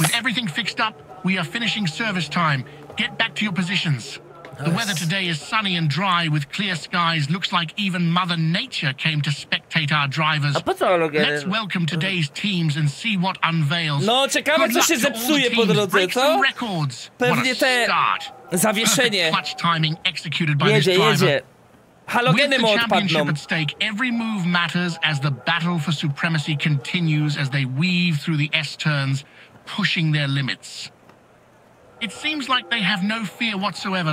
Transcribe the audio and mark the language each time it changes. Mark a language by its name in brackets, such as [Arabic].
[English] With everything fixed up, we are finishing service time. Get back to your positions. The weather today is sunny and dry with clear skies. Looks like even Mother Nature came to spectate our drivers. [Polish] A po co halogeny? [English] Let's welcome today's teams and see what unveils. [Polish] No, ciekawe, co się zepsuje po drodze, co? [English] Records. [Polish] Pewnie te zawieszenie. [English] Clutch timing executed by this driver. [Polish] Jedzie. Halogeny mu odpadną. [English] At stake, every move matters as the battle for supremacy continues as they weave through the S-turns, pushing their limits. It seems like they have no fear whatsoever.